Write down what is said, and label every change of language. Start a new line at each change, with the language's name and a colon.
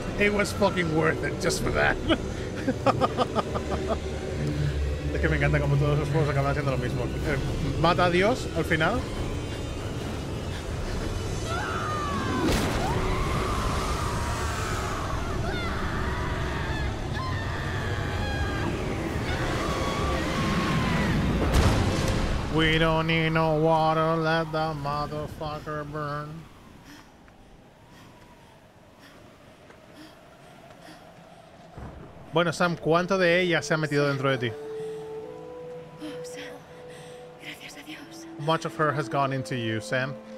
English: It was fucking worth it just for that.
Spanish: Es que me encanta como todos los juegos acaban haciendo lo mismo. Mata a Dios al final.
English: We don't need no water, let the motherfucker burn.
Spanish: Bueno, Sam, ¿cuánto de ella se ha metido dentro de ti? Oh, Sam. Gracias a Dios.
English: Much of her has gone into you, Sam.